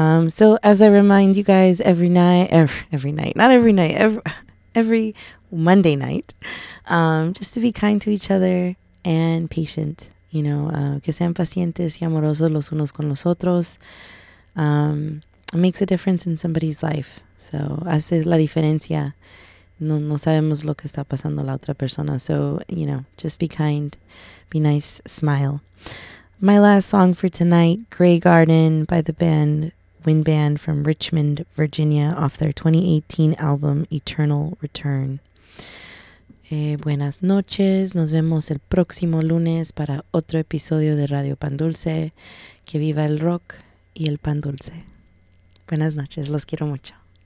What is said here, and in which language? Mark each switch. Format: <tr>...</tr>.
<en>So as I remind you guys every Monday night, just to be kind to each other and patient, you know,</en> <es>que sean pacientes y amorosos los unos con los otros.</es> <en>It makes a difference in somebody's life. So,</en> <es>hace la diferencia. No sabemos lo que está pasando la otra persona.</es> <en>So, you know, just be kind, be nice, smile. My last song for tonight, Grey Garden by the band Wind Band from Richmond, Virginia, off their 2018 album Eternal Return.</en> <es>Buenas noches, nos vemos el próximo lunes para otro episodio de Radio Pan Dulce. Que viva el rock y el pan dulce. Buenas noches, los quiero mucho.</es>